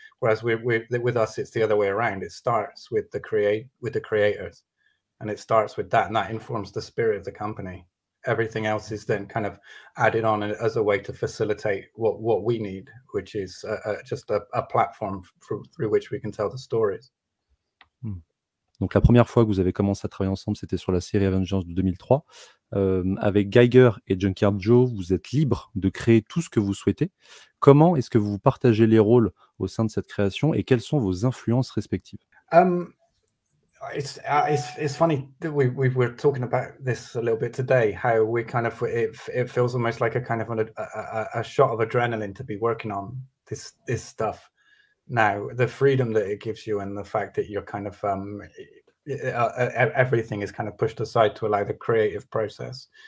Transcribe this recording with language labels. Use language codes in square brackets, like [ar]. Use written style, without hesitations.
[en] Whereas with us, it's the other way around. It starts with the creators, and it starts with that, and that informs the spirit of the company. Everything else is then kind of added on as a way to facilitate what we need, which is just a platform through which we can tell the stories. [fr] Donc la première fois que vous avez commencé à travailler ensemble, c'était sur la série Avengers de 2003. Avec Geiger et Junkyard Joe, vous êtes libre de créer tout ce que vous souhaitez. Comment est-ce que vous partagez les rôles au sein de cette création et quelles sont vos influences respectives? [en] It's funny that we were talking about this a little bit today, how we kind of it feels almost like a kind of a shot of adrenaline to be working on this stuff now, the freedom that it gives you and the fact that you're kind of everything is kind of pushed aside to allow the creative process.